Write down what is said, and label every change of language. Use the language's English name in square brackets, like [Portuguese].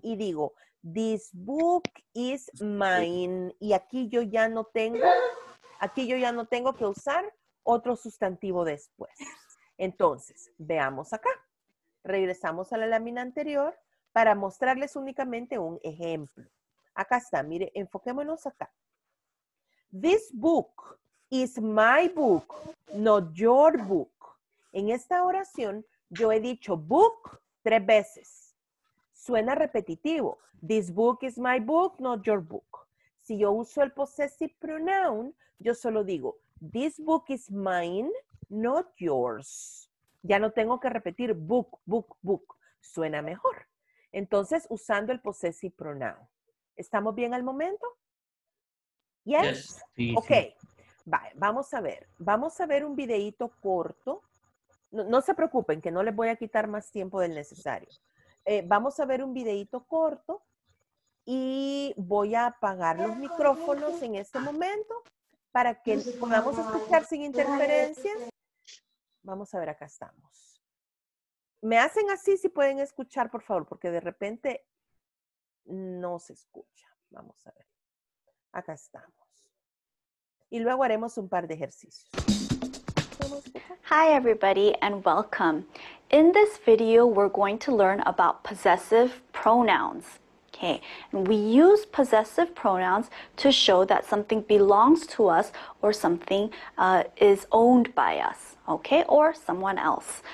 [Spanish] Y digo, [English] this book is mine. [Spanish] Y aquí yo ya no tengo que usar otro sustantivo después. Entonces, veamos acá. Regresamos a la lámina anterior para mostrarles únicamente un ejemplo. Acá está, mire, enfoquémonos acá. [English] This book is my book, not your book. [Spanish] En esta oración, yo he dicho book 3 veces. Suena repetitivo. [English] This book is my book, not your book. [Spanish] Si yo uso el possessive pronoun, yo solo digo, [English] this book is mine, not yours. [Spanish] Ya no tengo que repetir book, book, book. Suena mejor. Entonces, usando el possessive pronoun. ¿Estamos bien al momento? Yes. Ok. Sí. Vale, vamos a ver. Vamos a ver un videito corto. No se preocupen, que no les voy a quitar más tiempo del necesario. Vamos a ver un videito corto y voy a apagar los micrófonos en este momento para que podamos escuchar sin interferencias. Vamos a ver, acá estamos. Me hacen así si pueden escuchar, por favor, porque de repente no se escucha. Vamos a ver. Acá estamos. Y luego haremos un par de ejercicios. [English] Hi, everybody, and welcome. In this video, we're going to learn about possessive pronouns. Okay, and we use possessive pronouns to show that something belongs to us or something is owned by us, okay, or someone else.